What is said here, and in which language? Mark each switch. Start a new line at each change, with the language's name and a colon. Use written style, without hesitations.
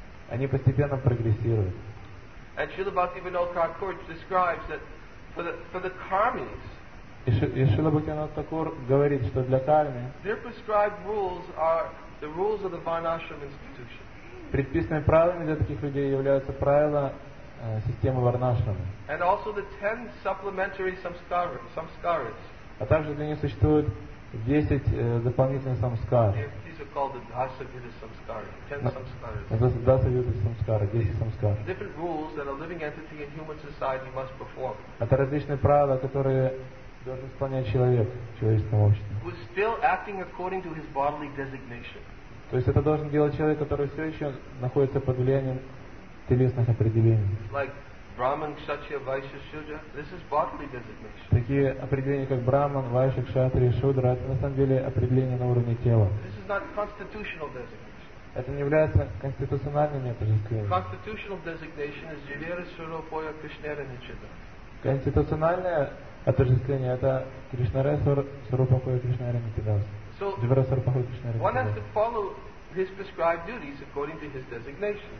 Russian: Они постепенно прогрессируют.
English: And Srila Bhakti Vinod Thakur describes that for the karmis.
Russian: И Шрила Бхакти Винод Такур говорит, что для карми.
English: Their prescribed rules are the rules of the Varnashram institution.
Russian: Предписанными правилами для таких людей являются правила системы Варнашрама.
English: And also the 10 supplementary samskaras.
Russian: А также для них существует 10 дополнительных самскар.
English: Called the Dasa-Yuta Samskara, 10 Samskaras. Dasa-Yuta Samskara, 10 different rules that a living entity in human society must perform.
Russian: Это различные правила, которые должен исполнять человек в человеческом обществе.
English: Who is still acting according to his bodily designation.
Russian: То есть это должен делать человек, который все еще находится под влиянием телесных определений.
English: Like Brahman, Kshatriya, Vaishya, Shudra. This is bodily designation.
Russian: Такие определения, как Brahman, Vaishya, Kshatriya, Shudra, это на самом деле определения на уровне тела.
English: This is not constitutional designation.
Russian: Это не является конституциональными определениями.
English: Constitutional designation is Jivera, Suro, Poya, Krishnera, Nichita.
Russian: Конституциональное отождествление это Кришнара, Суро, Поя, Кришнера, Нитидас.
English: So, one has to follow his prescribed duties according to his designation.